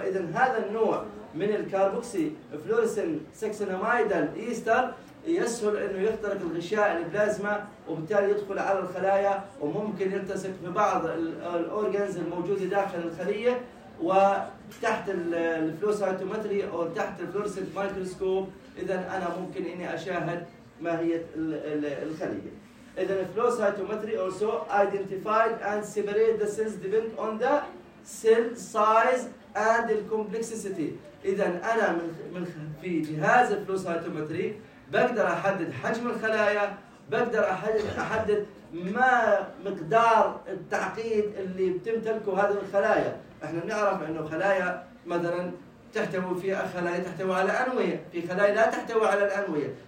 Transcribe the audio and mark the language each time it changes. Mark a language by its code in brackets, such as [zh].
[ar] فإذا هذا النوع من الكاربوكسي فلورسين سكسنامايدال إيستر يسهل إنه يخترق الغشاء البلازما وبالتالي يدخل على الخلايا وممكن يلتصق ببعض الأورجانز الموجودة داخل الخلية وتحت الفلوسايتومتري أو تحت الفلورسنت مايكروسكوب. إذن أنا ممكن إني أشاهد ماهية الخلية. إذن [en] الفلوسايتومتري also identified and separated the cells depend on the cell size and the complexity. [ar] إذن أنا من في جهاز الفلوسايتومتري بقدر أحدد حجم الخلايا بقدر أحدد ما مقدار التعقيد اللي بتمتلكه هذه الخلايا. احنا بنعرف انه خلايا مثلا تحتوي في خلايا تحتوي على انويه في خلايا لا تحتوي على الانويه.